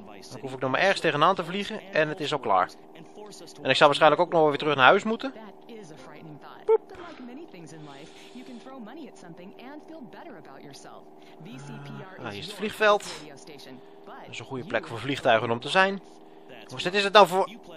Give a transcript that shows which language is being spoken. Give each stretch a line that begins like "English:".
Dutch: Dan hoef ik nog maar ergens tegenaan te vliegen en het is al klaar. En ik zal waarschijnlijk ook nog wel weer terug naar huis moeten. Boep.
English: Like many things in life, you can throw money at something and feel better about yourself.
Dutch: Nou, hier is het vliegveld. Dat is een goede plek voor vliegtuigen om te zijn. Wat is het nou voor?